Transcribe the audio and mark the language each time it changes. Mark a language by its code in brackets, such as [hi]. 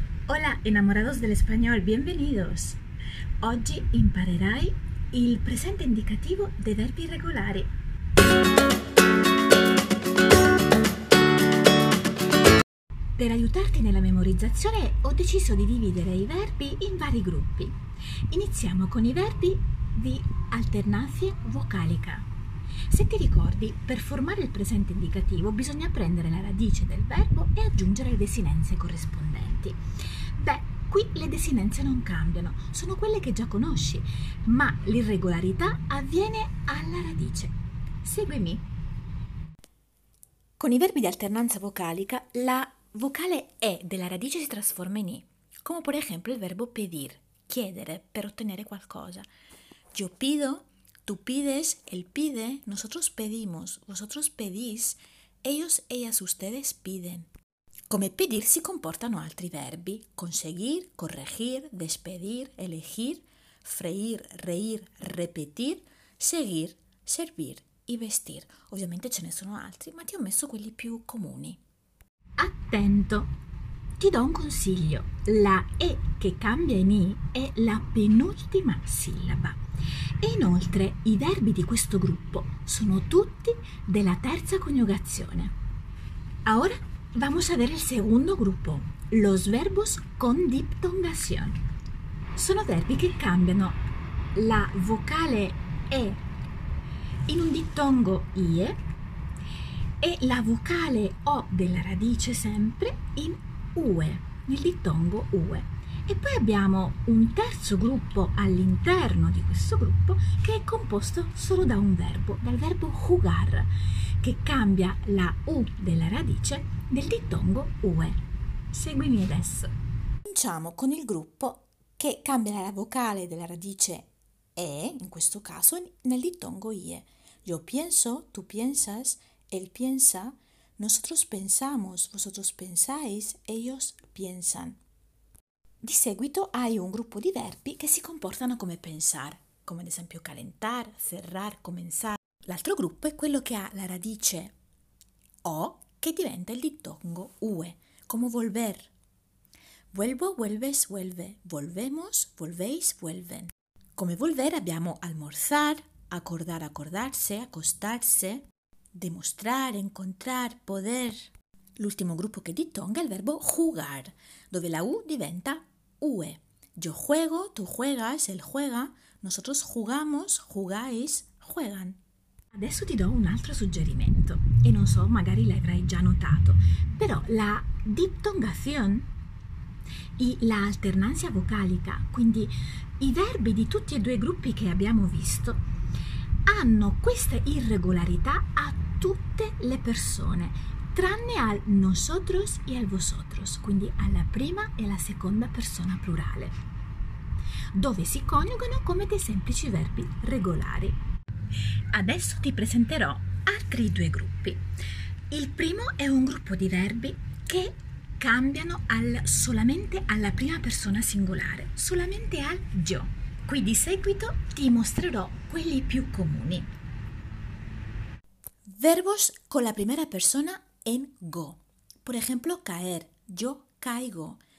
[es] Hola, enamorados del español, bienvenidos. [it] Oggi imparerai il presente indicativo dei verbi irregolari. Per aiutarti nella memorizzazione, ho deciso di dividere i verbi in vari gruppi. Iniziamo con i verbi di alternanza vocalica. Se ti ricordi, per formare il presente indicativo bisogna prendere la radice del verbo e aggiungere le desinenze corrispondenti. Beh, qui le desinenze non cambiano, sono quelle che già conosci, ma l'irregolarità avviene alla radice. Seguimi. Con i verbi di alternanza vocalica, la vocale E della radice si trasforma in I, come per esempio il verbo pedir, chiedere per ottenere qualcosa. [es] Yo pido, tú pides, él pide, nosotros pedimos, vosotros pedís, ellos, ellas, ustedes piden. [it] Come pedir si comportano altri verbi: conseguir, corregir, despedir, elegir, freír, reír, repetir, seguir, servir y vestir. Ovviamente ce ne sono altri, ma ti ho messo quelli più comuni. Attento! Ti do un consiglio. La E che cambia in I è la penultima sillaba. E inoltre i verbi di questo gruppo sono tutti della terza coniugazione. Ora [es] vamos a ver el segundo grupo, los verbos con diptongación. [it] Sono verbi che cambiano la vocale E in un diptongo IE e la vocale O della radice sempre in UE, nel diptongo UE. E poi abbiamo un terzo gruppo all'interno di questo gruppo che è composto solo da un verbo, dal verbo jugar, che cambia la U della radice del dittongo UE. Seguimi adesso. Cominciamo con il gruppo che cambia la vocale della radice E, in questo caso, nel dittongo IE. [es] Yo pienso, tu piensas, él piensa, nosotros pensamos, vosotros pensáis, ellos piensan. [it] Di seguito hai un gruppo di verbi che si comportano come pensar, come ad esempio calentar, cerrar, comenzar. L'altro gruppo è quello che ha la radice O che diventa il diptongo UE, come volver. [es] Vuelvo, vuelves, vuelve. Volvemos, volvéis, vuelven. [it] Come volver abbiamo almorzar, acordar, acordarse, acostarse, demostrar, encontrar, poder. L'ultimo gruppo che diptonga è il verbo jugar, dove la U diventa UE. [es] Yo juego, tú juegas, él juega, nosotros jugamos, jugáis, juegan. [it] Adesso ti do un altro suggerimento, e non so, magari l'avrai già notato, però la diptongación e la alternancia vocalica, quindi i verbi di tutti e due i gruppi che abbiamo visto, hanno questa irregolarità a tutte le persone, tranne [es] al nosotros y al vosotros, [it] quindi alla prima e alla seconda persona plurale, dove si coniugano come dei semplici verbi regolari. Adesso ti presenterò altri due gruppi. Il primo è un gruppo di verbi che cambiano solamente alla prima persona singolare, solamente al yo. Qui di seguito ti mostrerò quelli più comuni. [es] Verbos con la prima persona en go. Por ejemplo, caer, yo caigo.